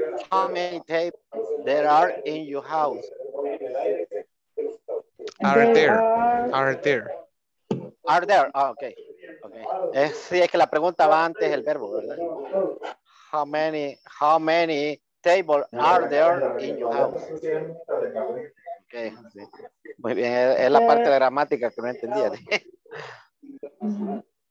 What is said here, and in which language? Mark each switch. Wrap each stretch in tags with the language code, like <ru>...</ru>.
<en>How many tables there are in your house? Are there.</en> <es>Okay. Sí, es que la pregunta va antes del verbo, ¿verdad?</es> <en>How many tables are there in your house? Okay.</en> <es>Muy bien, es la parte de la gramática que no entendía.</es>